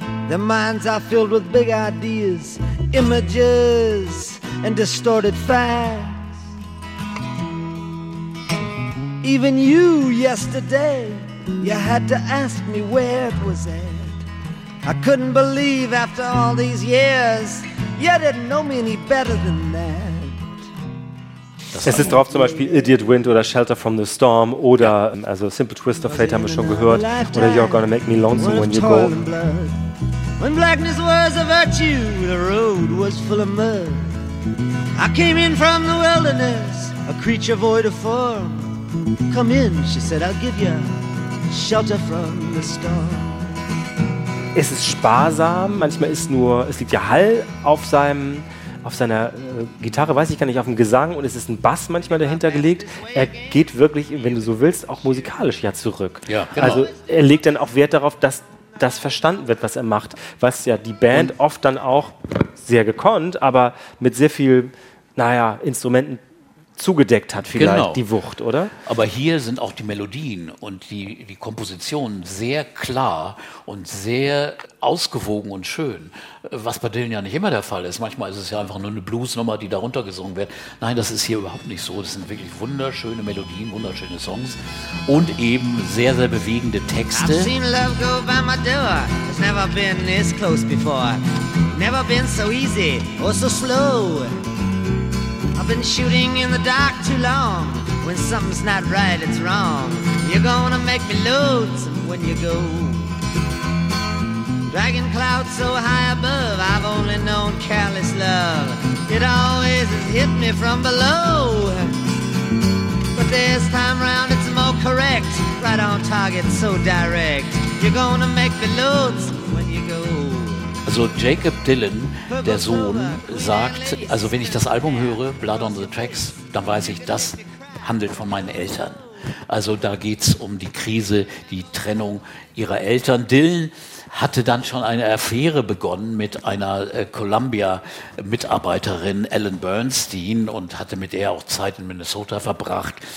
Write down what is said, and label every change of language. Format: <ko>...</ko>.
<en>Their minds are filled with big ideas, images, and distorted facts. Even you, yesterday, you had to ask me where it was at. I couldn't believe after all these years, you didn't know me any better than that.</en> <de>Es ist drauf zum Beispiel Idiot Wind oder Shelter from the Storm oder also Simple Twist of Fate haben wir schon gehört oder You're Gonna Make Me Lonesome When You Go.</de> <en>When blackness was a virtue, the road was full of mud. I came in from the wilderness, a creature void of form. Come in, she said, I'll give you shelter from the storm.</en> <de>Es ist sparsam, manchmal ist nur, es liegt ja Hall auf seinem... Auf seiner Gitarre, weiß ich gar nicht, auf dem Gesang und es ist ein Bass manchmal dahinter gelegt. Er geht wirklich, wenn du so willst, auch musikalisch ja zurück. Ja, genau. Also er legt dann auch Wert darauf, dass das verstanden wird, was er macht. Was ja die Band oft dann auch sehr gekonnt, aber mit sehr viel, naja, Instrumenten zugedeckt hat vielleicht, genau. Die Wucht, oder? Aber hier sind auch die Melodien und die Kompositionen sehr klar und sehr ausgewogen und schön. Was bei Dylan ja nicht immer der Fall ist. Manchmal ist es ja einfach nur eine Bluesnummer, die darunter gesungen wird. Nein, das ist hier überhaupt nicht so. Das sind wirklich wunderschöne Melodien, wunderschöne Songs und eben sehr, sehr bewegende Texte.</de> <en>I've seen love go by my door. It's never been this close before. Never been so easy or so slow. I've been shooting in the dark too long. When something's not right, it's wrong. You're gonna make me lonesome when you go. Dragon clouds so high above, I've only known careless love. It always has hit me from below. But this time round, it's more correct. Right on target, so direct. You're gonna make me lonesome when you go.</en> <de>Also Jacob Dylan, der Sohn, sagt, also wenn ich das Album höre, Blood on the Tracks, dann weiß ich, das handelt von meinen Eltern. Also da geht's um die Krise, die Trennung ihrer Eltern. Dylan hatte dann schon eine Affäre begonnen mit einer Columbia-Mitarbeiterin, Ellen Bernstein, und hatte mit ihr auch Zeit in Minnesota verbracht.</de>